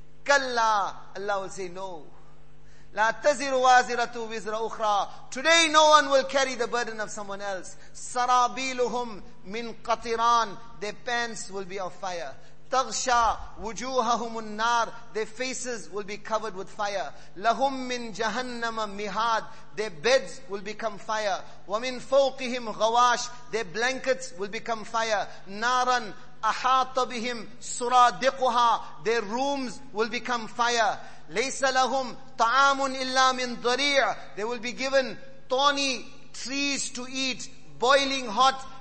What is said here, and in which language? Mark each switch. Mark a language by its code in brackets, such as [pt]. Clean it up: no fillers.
[en] Allah will say, no. [ar] لَا تَزِرُ وَازِرَةُ وِزْرَ أُخْرَى. [en] Today no one will carry the burden of someone else. [ar] سَرَابِيلُهُمْ مِنْ قَطِرَان. [en] Their pants will be of fire. [ar] تَغْشَى وُجُوهَهُمُ النَّار. [en] Their faces will be covered with fire. [ar] لَهُمْ مِنْ جَهَنَّمَ mihad. [en] Their beds will become fire. [ar] وَمِنْ فَوْقِهِمْ غَوَاش. [en] Their blankets will become fire. [ar] نَارًا أَحَاطَ بِهِمْ سُرَادِقُهَا. [en] Their rooms will become fire. [ar] لَيْسَ لَهُمْ طَعَامٌ إِلَّا مِنْ ضَرِيعٌ. [en] They will be given thorny trees to eat, boiling hot.